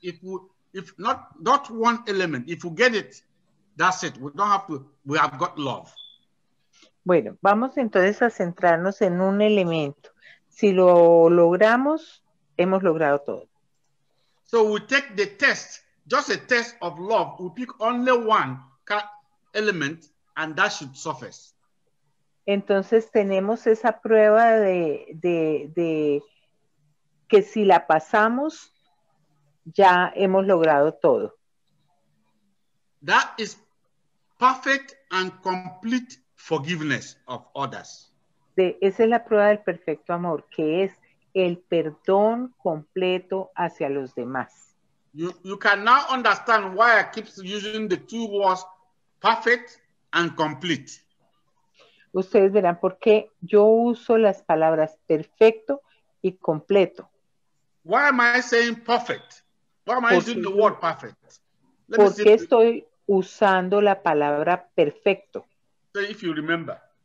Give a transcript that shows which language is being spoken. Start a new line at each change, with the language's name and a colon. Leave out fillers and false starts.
English: If not one element, if we get it, that's it. We have got love.
Spanish: Bueno, vamos entonces a centrarnos en un elemento. Si lo logramos, hemos logrado todo.
English: So we take the test, just a test of love. We pick only one element and that should suffice.
Spanish: Entonces tenemos esa prueba de que si la pasamos, ya hemos logrado todo.
English: That is perfect and complete forgiveness of others.
Spanish: Esa es la prueba del perfecto amor, que es el perdón completo hacia los demás.
English: You can now understand why I keep using the two words perfect and complete.
Spanish: Ustedes verán por qué yo uso las palabras perfecto y completo.
English: Why am I saying perfect? Why am I using the word perfect?
Spanish: ¿Por qué estoy usando la palabra perfecto?
English: So if you remember.